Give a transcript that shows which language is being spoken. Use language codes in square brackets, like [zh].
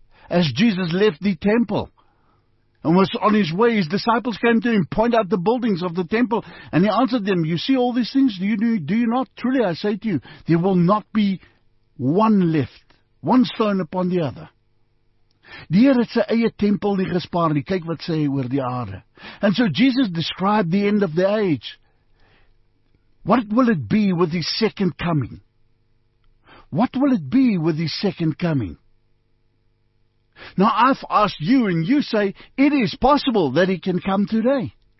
[en] As Jesus left the temple and was on his way, his disciples came to him, point out the buildings of the temple. And he answered them, you see all these things? Do you not? Truly I say to you, there will not be one left, one stone upon the other. [af] Die Here het sy eie tempel nie gespaar nie. Kyk wat sê hy oor die aarde. [en] And so Jesus described the end of the age. What will it be with his second coming? What will it be with his second coming? Now I've asked you and you say, it is possible that he can come today.